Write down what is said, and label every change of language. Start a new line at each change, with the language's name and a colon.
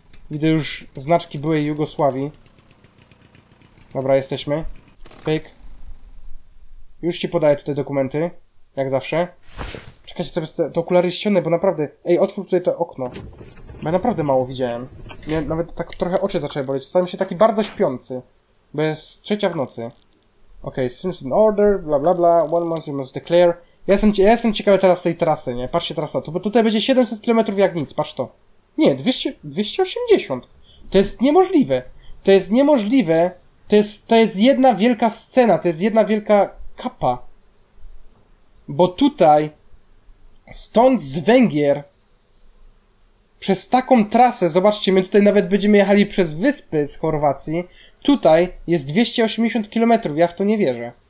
Polish: Widzę już znaczki byłej Jugosławii. Dobra, jesteśmy. Pyk. Już ci podaję tutaj dokumenty. Jak zawsze. Czekajcie, sobie te okulary ściągnę, bo naprawdę... Ej, otwórz tutaj to okno. Bo ja naprawdę mało widziałem. Mnie nawet tak trochę oczy zaczęły boleć. Stałem się taki bardzo śpiący. Bo jest trzecia w nocy.
English: Okej, okay, seems in order, bla bla bla, one month you must declare.
Polish: Ja jestem ciekawy teraz tej trasy, nie? Patrzcie trasa, bo tutaj będzie 700 km jak nic, patrz to. Nie, 280. To jest niemożliwe. To jest niemożliwe. To jest jedna wielka scena, to jest jedna wielka kapa. Bo tutaj, stąd z Węgier, przez taką trasę, zobaczcie, my tutaj nawet będziemy jechali przez wyspy z Chorwacji, tutaj jest 280 km, ja w to nie wierzę.